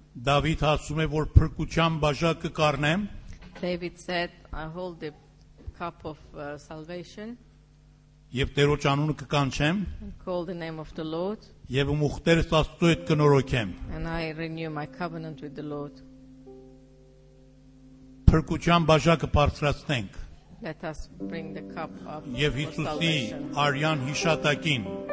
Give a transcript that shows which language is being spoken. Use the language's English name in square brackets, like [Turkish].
[Armenian] David ասում է, որ փրկության բաժակը կառնեմ. [English] David said, I hold the cup of salvation. [Armenian] Եվ Տերոջ անունը կկանչեմ. [English] Call the name of the Lord. [Armenian] Եվ իմ ուխտերս Աստծո հետ կնորոգեմ. [English] And I renew my covenant with the Lord. [Armenian] Փրկության բաժակը բարձրացնենք. [English] Let us bring the cup up. [Armenian] Եվ Հիսուսի արյան հիշատակին.